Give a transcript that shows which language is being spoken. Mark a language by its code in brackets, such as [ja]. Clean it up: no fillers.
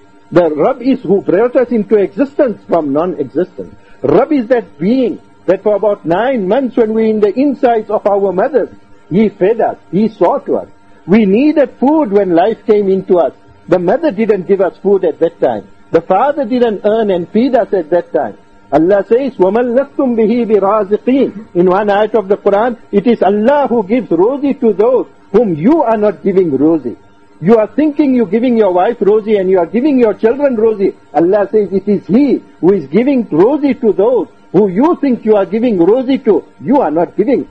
[en] The Rabb is who brought us into existence from non-existence. Rabb is that being that for about 9 months when we were in the insides of our mothers, He fed us, He saw to us. We needed food when life came into us. The mother didn't give us food at that time. The father didn't earn and feed us at that time. Allah says, [ar] وَمَنْ لَفْتُمْ بِهِ بِرَازِقِينَ. [en] In one ayat of the Quran, it is Allah who gives rozi to those whom you are not giving rozi. You are thinking you're giving your wife rozi and you are giving your children rozi. Allah says, it is He who is giving rozi to those who you think you are giving rozi to. You are not giving.